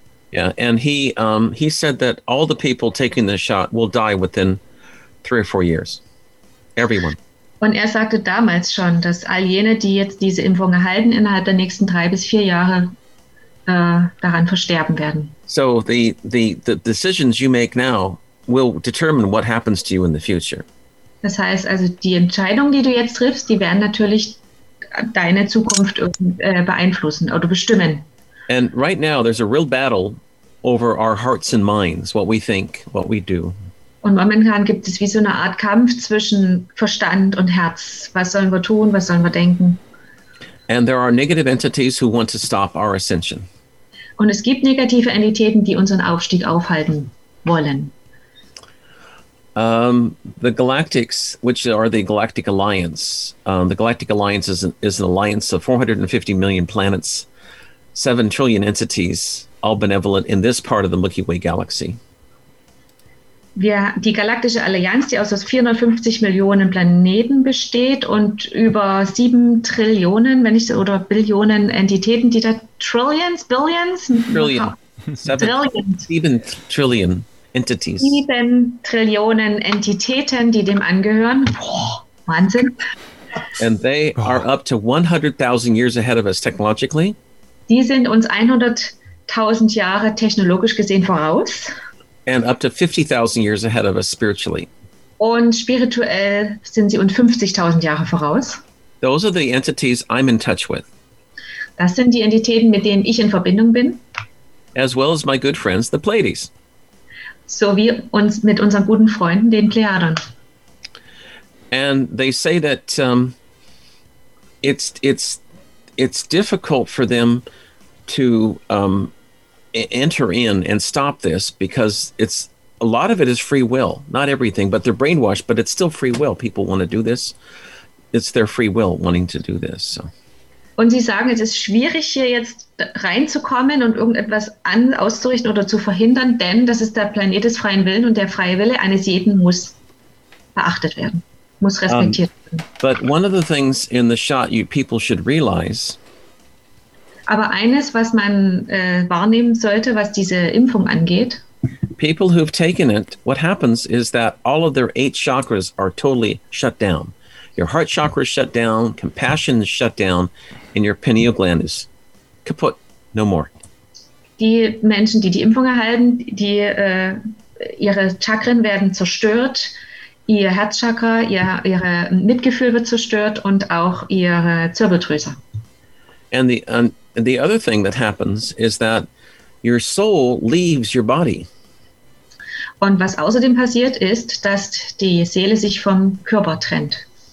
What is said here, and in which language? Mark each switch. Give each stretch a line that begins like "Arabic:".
English: Yeah, and he said that all the people taking the shot will die within 3 or 4 years. Everyone.
German: Und er sagte damals schon, dass all jene, die jetzt diese Impfung erhalten, innerhalb der nächsten 3 bis 4 Jahre daran versterben werden.
English: So the decisions you make now will determine what happens to you in the future.
German: Das heißt also, die Entscheidungen, die du jetzt triffst, die werden natürlich deine Zukunft beeinflussen oder bestimmen.
English: And right now there's a real battle over our hearts and minds, what we think, what we do.
German: Und momentan gibt es wie so eine Art Kampf zwischen Verstand und Herz. Was sollen wir tun? Was sollen wir denken?
English: And there are negative entities who want to stop our ascension.
German: Und es gibt negative Entitäten, die unseren Aufstieg aufhalten wollen.
English: The Galactics, which are the Galactic Alliance. The Galactic Alliance is an alliance of 450 million planets. 7 trillion entities, all benevolent in this part of the Milky Way galaxy.
German: Ja, die galaktische Allianz, die aus 450 Millionen Planeten besteht und über 7 Trillionen, wenn ich so, oder Billionen Entitäten, die da
English: Trillions, Billions? Trillion. 7 Trillion. entities.
German: 7 Trillionen Entitäten, die dem angehören. Boah, Wahnsinn.
English: And they are up to 100,000 years ahead of us technologically.
German: Die sind uns 100,000 Jahre technologisch gesehen voraus.
English: And up to 50,000 years ahead of us spiritually.
German: Und spirituell sind sie uns 50,000 Jahre voraus.
English: Those are the entities I'm in touch with.
German: Das sind die Entitäten, mit denen ich in Verbindung bin.
English: As well as my good friends, the Pleiades.
German: So wie uns mit unseren guten Freunden, den Plejadern.
English: And they say that it's difficult for them to enter in and stop this because it's a lot of it is free will, not everything, but they're brainwashed, but it's still free will. People want to do this. It's their free will wanting to do this. So.
German: Und sie sagen, es ist schwierig, hier jetzt reinzukommen und irgendetwas auszurichten oder zu verhindern, denn das ist der Planet des freien Willens und der freie Wille eines jeden muss beachtet werden, muss respektiert werden.
English: But one of the things in the shot you people should realize.
German: Aber eines, was man wahrnehmen sollte, was diese Impfung angeht.
English: People who've taken it, what happens is that all of their 8 chakras are totally shut down. Your heart chakra is shut down, compassion is shut down, and your pineal gland is kaputt, no more.
German: Die Menschen, die Impfung erhalten, die ihre Chakren werden zerstört, ihr Herzchakra, ihre Mitgefühl wird zerstört und auch ihre Zirbeldrüse.
English: And the other thing that happens is that your soul leaves your body.
German: Und was außerdem passiert ist, dass die Seele sich vom Körper trennt.